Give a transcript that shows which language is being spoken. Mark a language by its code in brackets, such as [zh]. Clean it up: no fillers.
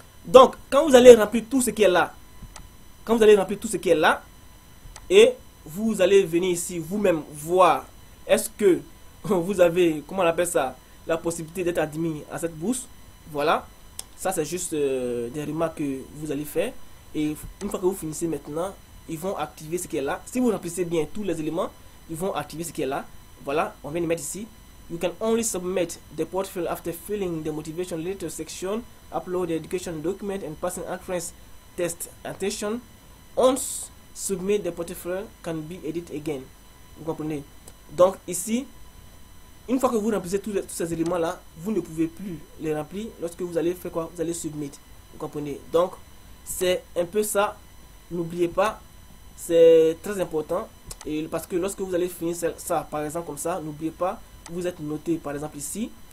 [fr] Donc, quand vous allez remplir tout ce qui est là, quand vous allez remplir tout ce qui est là, et vous allez venir ici vous-même voir est-ce que vous avez, comment on appelle ça, la possibilité d'être admis à cette bourse. Voilà. Ça, c'est juste des remarques que vous allez faire. Et une fois que vous finissez maintenant, ils vont activer ce qui est là. Si vous remplissez bien tous les éléments, ils vont activer ce qui est là. Voilà, on vient de mettre ici. [en] You can only submit the portfolio after filling the motivation letter section, upload the education document and passing entrance test. Attention, once submit the portfolio can be edit again. [fr] Vous comprenez? Donc ici, une fois que vous remplissez tous ces éléments-là, vous ne pouvez plus les remplir lorsque vous allez faire quoi? Vous allez submit. Vous comprenez? Donc, c'est un peu ça. N'oubliez pas, c'est très important. Et parce que lorsque vous allez finir ça, par exemple comme ça, n'oubliez pas, vous êtes noté par exemple ici.